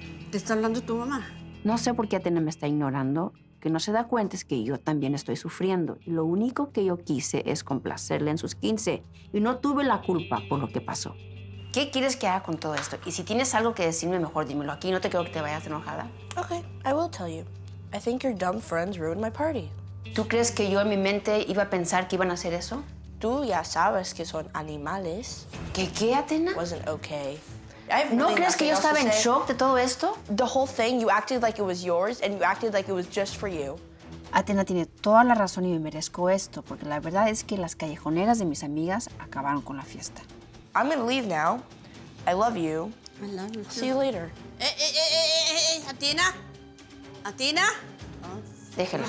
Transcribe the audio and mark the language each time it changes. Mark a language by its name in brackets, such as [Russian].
[Spanish] ¿Te está hablando tu mamá? No sé por qué Athena me está ignorando. Que no se da cuenta es que yo también estoy sufriendo. Lo único que yo quise es complacerle en sus 15 y no tuve la culpa por lo que pasó. ¿Qué quieres que haga con todo esto? Y si tienes algo que decirme, mejor dímelo aquí. No te quiero que te vayas enojada. [English] Okay, I will tell you. I think your dumb friends ruined my party. [Spanish] ¿Tú crees que yo en mi mente iba a pensar que iban a hacer eso? Tú ya sabes que son animales. ¿Qué, Athena? [English] Wasn't okay. [Spanish] ¿No crees que yo estaba en shock de todo esto? [English] The whole thing, you acted like it was yours and you acted like it was just for you. [Spanish] Atena tiene toda la razón y me merezco esto, porque la verdad es que las callejoneras de mis amigas acabaron con la fiesta. [English] I'm gonna leave now. I love you. I love you too. See you later. [Spanish] Atena. Atena. Déjela.